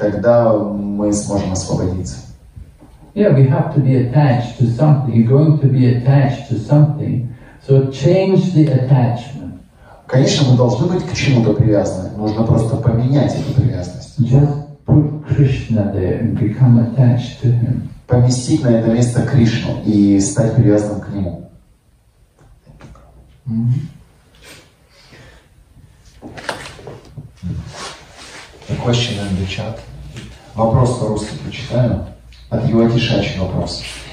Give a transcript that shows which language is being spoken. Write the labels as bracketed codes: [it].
[ru] тогда мы сможем освободиться. [en] Yeah, we have to be attached to something. You're going to be attached to something. So change the attachment. [ru] Конечно, мы должны быть к чему-то привязаны. Нужно просто поменять эту привязанность. [en] Just put Krishna there and become attached to him. [ru] Поместить на это место Кришну и стать привязанным к нему. [en] A question in the chat. [ru] Вопрос по-русски прочитаю. От его тишачий вопрос.